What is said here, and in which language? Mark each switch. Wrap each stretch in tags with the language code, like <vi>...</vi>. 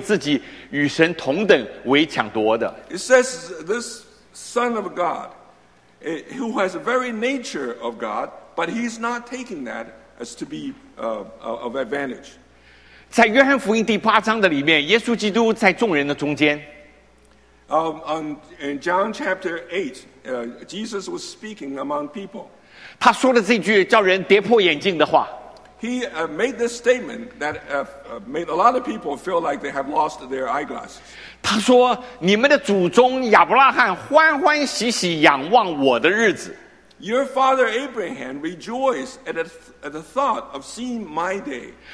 <zh>亲爱的弟兄姊妹，这边说，他这位神子本有神的形象，不以自己与神同等为抢夺的。It</zh> <en>says this Son of God, who has the very nature of God, but he's not taking that as to be of advantage.</en> <zh>在约翰福音第八章的里面，耶稣基督在众人的中间。</zh> <en>In John chapter 8, Jesus was speaking among people.</en> <zh>他说的这句叫人跌破眼镜的话。</zh> <en>He made this statement that made a lot of people feel like they have lost their eyeglasses.</en> <zh>他说,你们的祖宗亚伯拉罕欢欢喜喜仰望我的日子。</zh> <en>Your father Abraham rejoiced at the thought of seeing my day.</en>